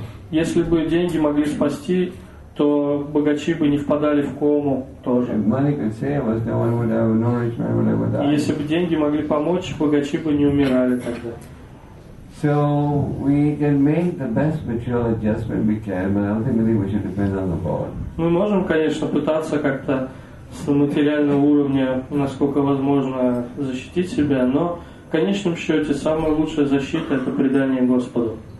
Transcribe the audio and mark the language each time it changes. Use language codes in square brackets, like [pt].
[ru] Если бы деньги могли спасти, то богачи бы не впадали в кому тоже. Если бы деньги могли помочь, богачи бы не умирали тогда. [en] So we can make the best material adjustment we can, but ultimately we should depend on the Lord. [ru] Мы можем, конечно, пытаться как-то с материального уровня, насколько возможно, защитить себя, но в конечном счете самая лучшая защита — это предание Господу.